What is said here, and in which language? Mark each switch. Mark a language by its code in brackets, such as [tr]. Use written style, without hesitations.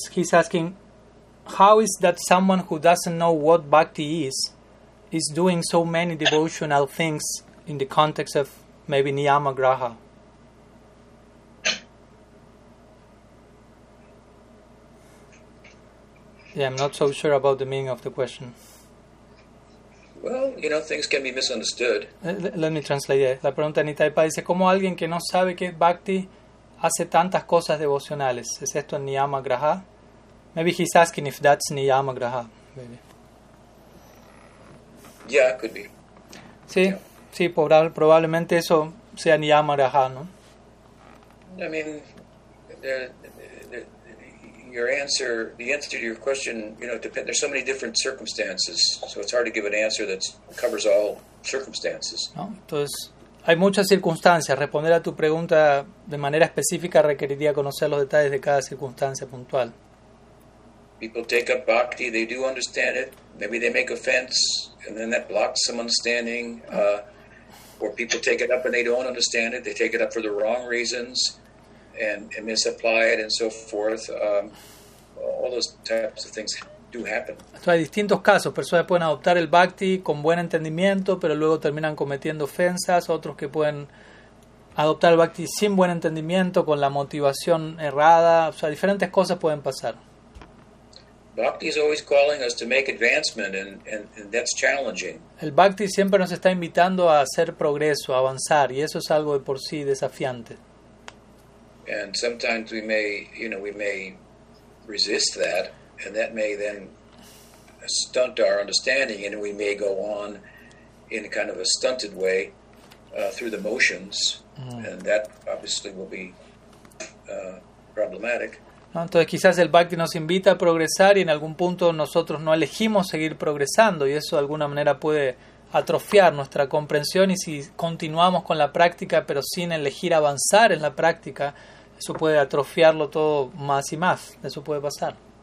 [en] He's asking, how is that someone who doesn't know what bhakti is doing so many devotional things in the context of maybe Niyama Graha? Yeah, I'm not so sure about the meaning of the question. Well, you know, things can be misunderstood. Let me translate it. [es] La pregunta de Nitaipa dice, ¿cómo alguien que no sabe qué es bhakti hace tantas cosas devocionales? ¿Es esto en Niyama Graha? [en] Maybe he's asking if that's Niyama Graha. Maybe. Yeah, it could be. [es] Sí, [en] yeah. [es] Sí, probablemente eso sea Niyama Graha, ¿no? [en] I mean, the answer to your question, you know, depend. There's so many different circumstances, so it's hard to give an answer that covers all circumstances. [es] No, entonces hay muchas circunstancias. Responder a tu pregunta de manera específica requeriría conocer los detalles de cada circunstancia puntual. [en] People take up bhakti, they do understand it. Maybe they make offense, and then that blocks some understanding. Or people take it up and they don't understand it. They take it up for the wrong reasons. And misapply it and so forth. All those types of things do happen. [es] Entonces, hay distintos casos. Personas pueden adoptar el bhakti con buen entendimiento, pero luego terminan cometiendo ofensas. Otros que pueden adoptar el bhakti sin buen entendimiento, con la motivación errada. O sea, diferentes cosas pueden pasar. [en] Bhakti is always calling us to make advancement, and that's challenging. [es] El bhakti siempre nos está invitando a hacer progreso, a avanzar, y eso es algo de por sí desafiante. [en] And sometimes we may, you know, we may resist that, and that may then stunt our understanding, and we may go on in kind of a stunted way through the motions, and that obviously will be problematic. [es] ¿No? Entonces quizás el bhakti nos invita a progresar y en algún punto nosotros no elegimos seguir progresando y eso de alguna manera puede atrofiar nuestra comprensión y si continuamos con la práctica pero sin elegir avanzar en la práctica, eso puede atrofiarlo todo más y más, eso puede pasar.